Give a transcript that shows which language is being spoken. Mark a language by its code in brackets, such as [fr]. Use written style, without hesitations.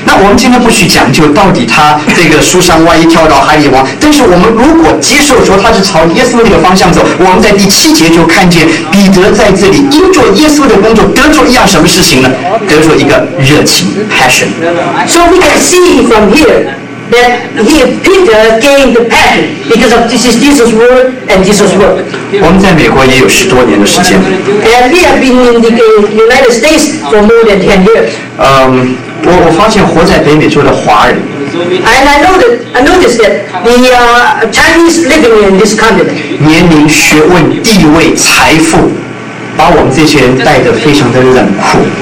[zh] 那我们今天不许讲究到底他这个书上万一跳到海里王，但是我们如果接受说他是朝耶稣那个方向走，我们在第七节就看见彼得在这里因做耶稣的工作得着一样什么事情呢？得着一个热情 passion. [en] So we can see from here that Peter gained the passion because of this is Jesus' word and Jesus' work. [zh] 我们在美国也有十多年的时间。 [en] And we have been in the United States for more than 10 years. [zh] 我发现活在北美洲的华人。 [en] And I noticed that the Chinese living in this continent. [zh] 年龄、学问、地位、财富，把我们这些人带得非常的冷酷。